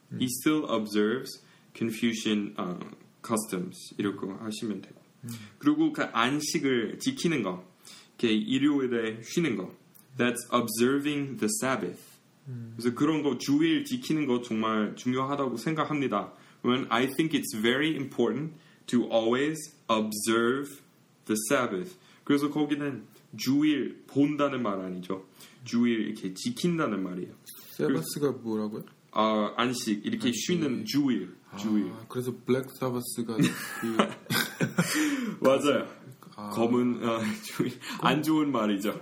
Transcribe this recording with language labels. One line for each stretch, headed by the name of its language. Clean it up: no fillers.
English: He still observes Confucian customs.
Korean: 이렇게 하시면 되고. 그리고 그 안식을 지키는 거. 이렇게 일요일에 쉬는 거.
English: That's observing the Sabbath.
Korean: 그래서 그런 거 주일 지키는 거 정말 중요하다고 생각합니다.
English: When I think it's very important to always observe the Sabbath.
Korean: 그래서 거기는 주일 본다는 말 아니죠. 주일 이렇게 지킨다는 말이에요. 세바스가 뭐라고요? 아, 안식 이렇게 안식. 쉬는 주일. 주일. 아, 그래서 블랙 사바스가 그... 맞아요. 검은 주일. 안 좋은 말이죠.